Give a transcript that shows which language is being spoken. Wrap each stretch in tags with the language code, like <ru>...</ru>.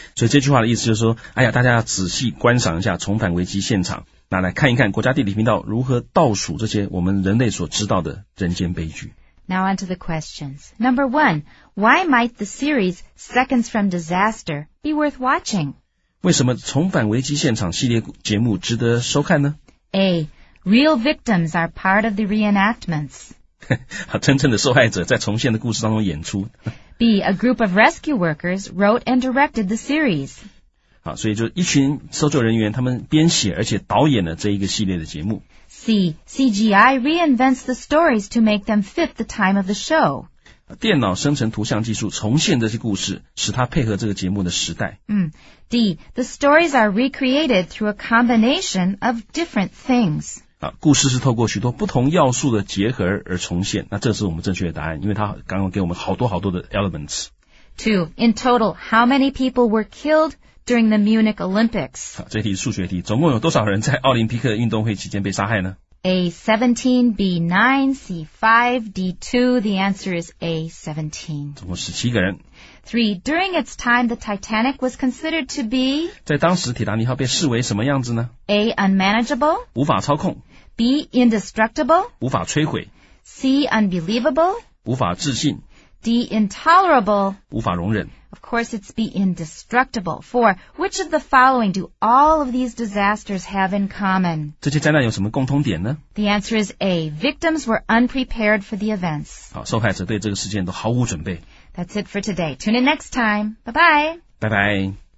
<zh>所以这句话的意思就是说哎呀大家要仔细观赏一下重返危机现场那来看一看国家地理频道如何倒数这些我们人类所知道的人间悲剧。</zh> <en>Now on to the questions. Number one, why might the series Seconds from Disaster be worth watching?</en> <zh>为什么重返危机现场系列节目值得收看呢</zh> <en>?A, real victims are part of the reenactments.</en> <zh>真正的受害者在重现的故事当中演出</zh> <en>B. A group of rescue workers wrote and directed the series</en> <zh>好所以就一群搜救人员他们编写而且导演了这一个系列的节目</zh> <en>C. CGI reinvents the stories to make them fit the time of the show</en> <zh>电脑生成图像技术重现这些故事使它配合这个节目的时代、</zh> <en>D. The stories are recreated through a combination of different things</en> <zh>啊、故事是透过许多不同要素的结合而重现那这是我们正确的答案因为他刚刚给我们好多好多的 elements</zh> <en>2. In total, how many people were killed during the Munich Olympics?、</en> <zh>啊、这题数学题总共有多少人在奥林匹克运动会期间被杀害呢</zh> <en>A. 17 B. 9 C. 5 D. 2 The answer is A. 17</en> <zh>总共17个人</zh> <en>3. During its time, the Titanic was considered to be</en> <zh>在当时铁达尼号被视为什么样子呢</zh> <en>A. Unmanageable</en> <zh>无法操控</zh> <en>B. Indestructible</en> <zh>无法摧毁</zh> <en>C. Unbelievable</en> <zh>无法置信</zh> <en>D. Intolerable</en> <zh>无法容忍</zh> <en>Of course, it's B. Indestructible 4. Which of the following do all of these disasters have in common?</en> <zh>这些灾难有什么共通点呢</zh> <en>The answer is A. Victims were unprepared for the events</en> <zh>好，受害者对这个事件都毫无准备</zh> <en>That's it for today. Tune in next time. Bye-bye. Bye-bye.</en>